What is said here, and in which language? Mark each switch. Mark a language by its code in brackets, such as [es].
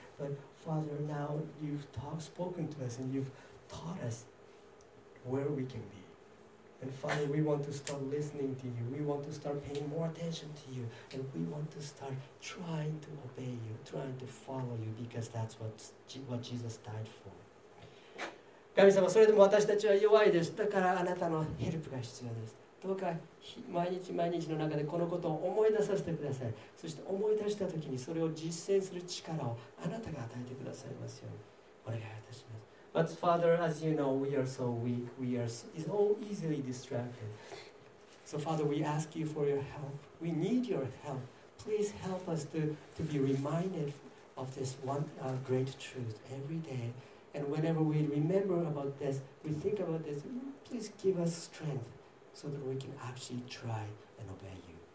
[en] But Father, now you've spoken to us and you've taught us where we can be. And Father, we want to start listening to you. We want to start paying more attention to you. And we want to start trying to obey you, trying to follow you, because that's what Jesus died for. [ja] 神様、それでも私たちは弱いです。だからあなたのヘルプが必要です。どうか毎日毎日の中でこのことを思い出させてください。そして思い出したときにそれを実践する力をあなたが与えてくださいますようにお願いいたします。 [en] But Father, as you know, we are so weak. We are so easily distracted. So Father, we ask you for your help. We need your help. Please help us to be reminded of this great truth every day. And whenever we remember about this, we think about this, please give us strength so that we can actually try and obey you.